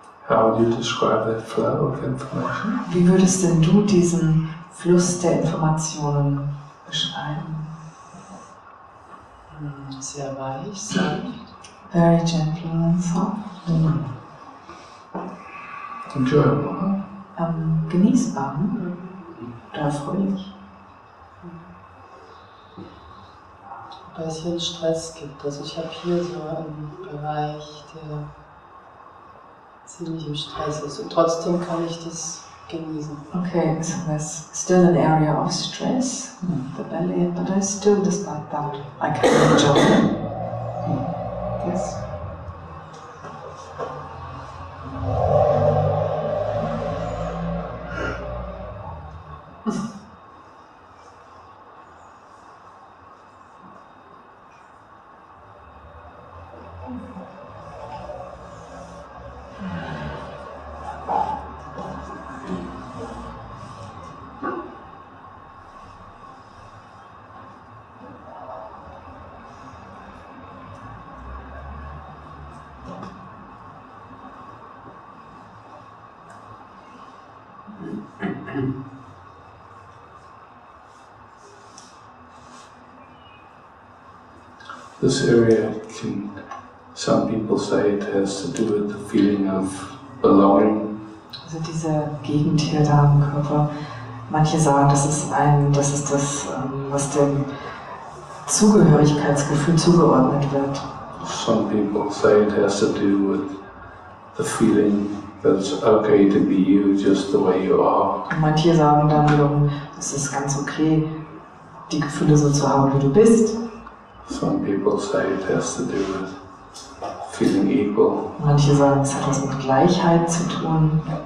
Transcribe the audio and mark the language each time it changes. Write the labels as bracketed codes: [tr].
[en] How would you describe that flow of information? [de] Wie würdest denn du diesen Fluss der Informationen beschreiben? Sehr weich, sanft. [en] Very gentle and soft. Enjoyable, huh? [de] Genießbar, hm? Oder erfreulich. Weil es hier einen Stress gibt. Also ich habe hier so einen Bereich, der ziemlich im Stress ist. Und trotzdem kann ich das genießen. [en] Okay, so there's still an area of stress, the belly, but I still despite that. I can enjoy it. Yes. This area can, some people say it has to do with the feeling of belonging. [de] Also diese Gegend hier da am Körper, manche sagen, das ist das, was dem Zugehörigkeitsgefühl zugeordnet wird. [en] Some people say it has to do with the feeling that it's okay to be you just the way you are. [de] Und manche sagen dann wiederum, es ist ganz okay, die Gefühle so zu haben, wie du bist. [en] Some people say it has to do with feeling equal. [de] Manche sagen, es hat was mit Gleichheit zu tun.